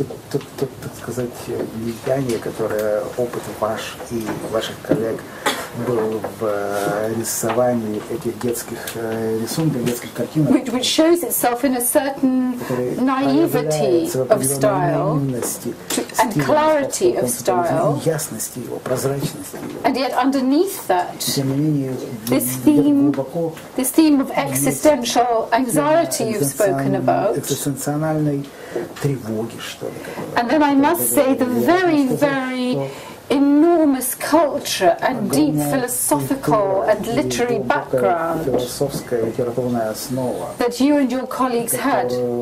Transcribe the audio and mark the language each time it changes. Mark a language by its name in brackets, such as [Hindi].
[Russian] так сказать, влияние, которое опыт ваш и ваших коллег был в рисовании этих детских рисунков, детских картинок. [English] Which shows itself in a certain naivety of style and clarity of style. [Russian] Ясности его, прозрачности его. [English] And yet underneath that, this theme of existential anxiety you've spoken about. [Russian] Экзистенциональной тревоги, что ли. [English] And then I must say the very, very enormous culture and deep philosophical and literary background that you and your colleagues had.